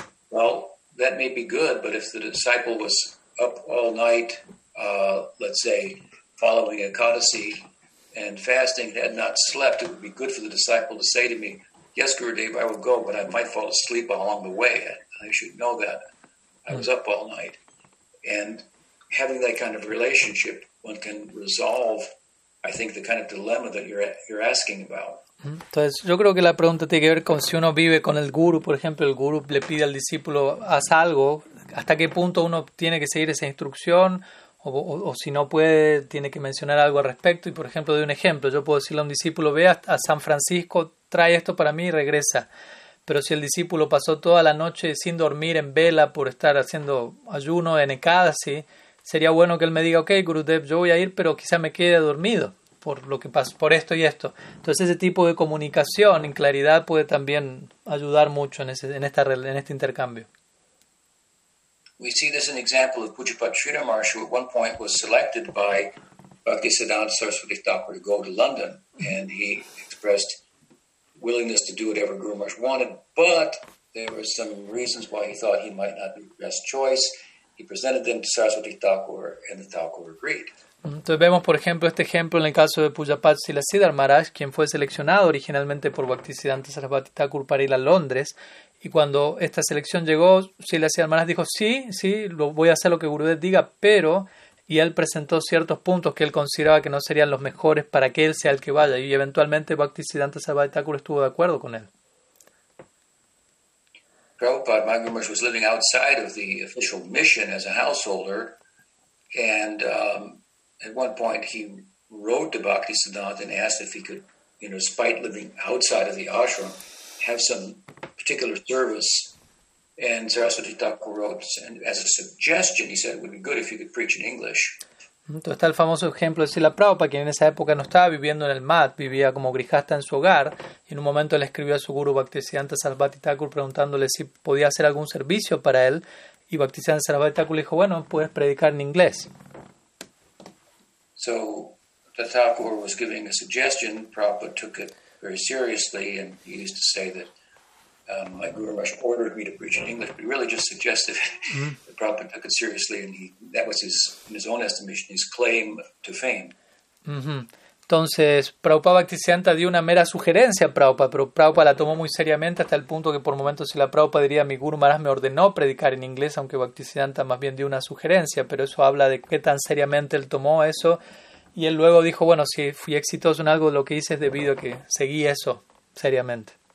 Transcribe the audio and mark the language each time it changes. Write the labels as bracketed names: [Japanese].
[English] Well, that may be good, but if the disciple was up all night, let's say, following a codicil and fasting, had not slept, it would be good for the disciple to say to me, yes, Gurudev, I will go, but I might fall asleep along the way. I should know that. I was up all night. And having that kind of relationship, one can resolve, I think, the kind of dilemma that you're asking about. [Spanish] Entonces, yo creo que la pregunta tiene que ver con si uno vive con el guru, por ejemplo, el guru le pide al discípulo, haz algo, ¿hasta qué punto uno tiene que seguir esa instrucción? O si no puede, tiene que mencionar algo al respecto. Y, por ejemplo, doy un ejemplo. Yo puedo decirle a un discípulo, ve a San Francisco, trae esto para mí y regresa. Pero si el discípulo pasó toda la noche sin dormir en vela por estar haciendo ayuno en Ekadasi, sería bueno que él me diga, ok, Gurudev, yo voy a ir, pero quizá me quede dormido por lo que pasó, por esto y esto. Entonces ese tipo de comunicación en claridad puede también ayudar mucho en este intercambio. [English] We see this in example of Pujapad Sridharmarsh, who at one point was selected by Bhaktisiddhanta Saraswati Thakur to go to London, and he expressed willingness to do whatever Guru Maharaj wanted, but there were some reasons why he thought he might not be the best choice. He presented them to Saraswati Thakur, and the Thakur agreed. [Spanish] Entonces vemos, por ejemplo, este ejemplo en el caso de Pujapad Silasidhar Maharaj, quien fue seleccionado originalmente por Bhaktisiddhanta Saraswati Thakur para ir a Londres, y cuando esta selección llegó, Silasidhar Maharaj dijo, sí, voy a hacer lo que Gurudev diga, pero... Y él presentó ciertos puntos que él consideraba que no serían los mejores para que él sea el que vaya. Y eventualmente Bhaktisiddhanta Saraswati Thakur estuvo de acuerdo con él. [English] Prabhupada, my Guru Maharaj, was living outside of the official mission as a householder. And at one point he wrote to Bhaktisiddhanta and asked if he could, you know, despite living outside of the ashram, have some particular service. And Saraswati Thakur wrote, and as a suggestion, he said, it would be good if you could preach in English. [Spanish] Entonces está el famoso ejemplo de Srila Prabhupada, quien en esa época no estaba viviendo en el mat, vivía como grihasta en su hogar, y en un momento le escribió a su guru Bhaktisiddhanta Saraswati Thakur preguntándole si podía hacer algún servicio para él, Y Bhaktisiddhanta Sarasvati Thakur le dijo, bueno, puedes predicar en inglés. [English] So, the Thakur was giving a suggestion, Prabhupada took it very seriously, and he used to say that my Guru Maharaj ordered me to preach in English, but he really just suggested that Prabhupada took it seriously, and that was his, in his own estimation, his claim to fame. Mm-hmm. [Spanish] Entonces, Prabhupada Bhaktisiddhanta dio una mera sugerencia a Prabhupada, pero Prabhupada la tomó muy seriamente hasta el punto que por momentos si la Prabhupada diría, mi Guru Maharaj me ordenó predicar en inglés, aunque Bhaktisiddhanta más bien dio una sugerencia, pero eso habla de qué tan seriamente él tomó eso. Y él luego dijo, bueno, si fui exitoso en algo, lo que hice es debido a que seguí eso seriamente.